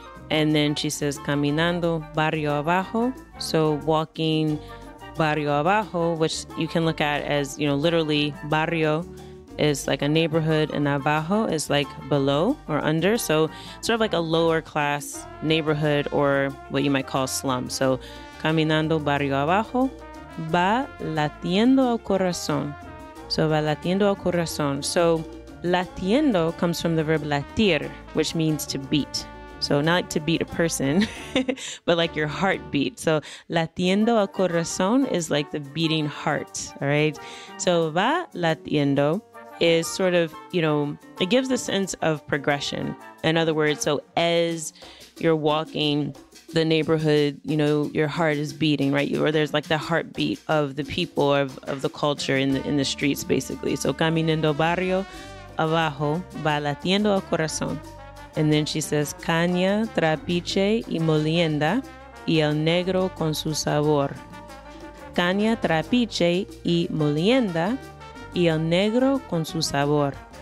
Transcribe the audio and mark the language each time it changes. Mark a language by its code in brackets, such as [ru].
[en] And then she says, [es] caminando barrio abajo. [en] So walking barrio abajo, which you can look at as, you know, literally barrio is like a neighborhood and abajo is like below or under. So sort of like a lower class neighborhood or what you might call slum. [es] So caminando barrio abajo, va latiendo al corazón. [en] So [es] va latiendo al corazón. [en] So latiendo comes from the verb latir, which means to beat. So not like to beat a person, but like your heartbeat. So [es] latiendo al corazón [en] is like the beating heart, all right? So va latiendo is sort of, you know, it gives a sense of progression. In other words, so as you're walking the neighborhood, you know, your heart is beating, right? Or there's like the heartbeat of the people, of the culture in the streets, basically. [es] So caminando barrio abajo va latiendo al corazón. [en] And then she says, [es] caña, trapiche y molienda y el negro con su sabor. Caña, trapiche y molienda y el negro con su sabor.